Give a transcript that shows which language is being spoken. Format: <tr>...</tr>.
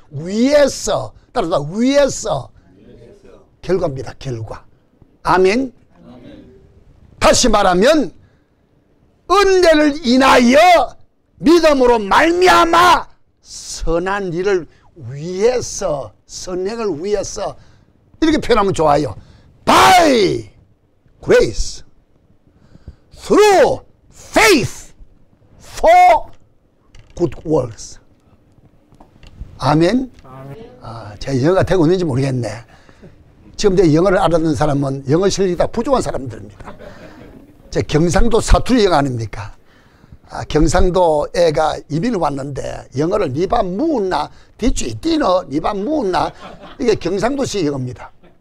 <ko>위에서 따라서 위에서 결과입니다. 결과. 아멘. 다시 말하면 은혜를 인하여 믿음으로 말미암아 선한 일을 위해서 선행을 위해서 이렇게 표현하면 좋아요.</ko> <en>By grace through faith for good works.</en> <ko>아멘. 아, 제가 영어가 되고 있는지 모르겠네. 지금 제가 영어를 알아듣는 사람은 영어 실력이 다 부족한 사람들입니다. 제가 경상도 사투리 영어 아닙니까? 아, 경상도 애가 이민을 왔는데 영어를 니바 무나 디쥐 디너 니바 무나 이게 경상도식 영어입니다.</ko>